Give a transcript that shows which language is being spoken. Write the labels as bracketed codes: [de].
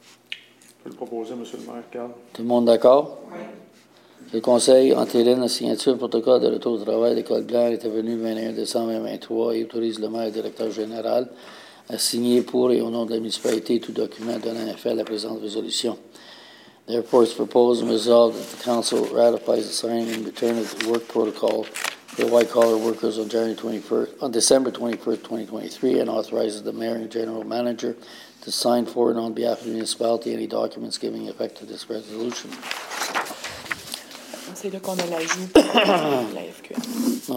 [fr] Je peux le proposer, M. le maire, Carl. Tout le monde d'accord? Oui. Le conseil entérine la signature du protocole de retour au travail de Code Blanc est venu le 21 décembre 2023 et autorise le maire et le directeur général à signer pour et au nom de la municipalité tout document donnant effet à la présente résolution. [en] Therefore, it's proposed and resolved that the council ratifies the signing and return of the work protocol for white-collar workers on December 21st, 2023 and authorizes the mayor and general manager to sign for and on behalf of the municipality any documents giving effect to this resolution. [fr] C'est là qu'on a l'ajout de la FQM.